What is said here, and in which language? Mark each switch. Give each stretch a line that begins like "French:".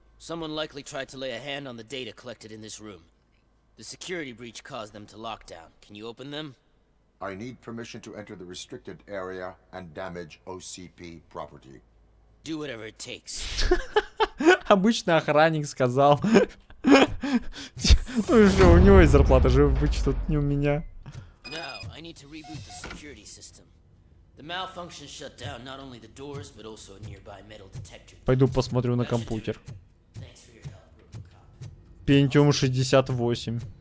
English: Someone likely tried to lay a hand on the data collected in this room. The security breach caused them to lock down. Can you open them? I need permission to enter the restricted area and damage OCP property. Do whatever it takes.
Russian: Обычно охранник сказал. Ну что, у него есть зарплата, же обычно тут не у меня.
English: Now, I need to reboot the security system. The malfunction shut down not only the doors, but also a nearby metal detector.
Russian: Пойду посмотрю на компьютер. Пентиум 68.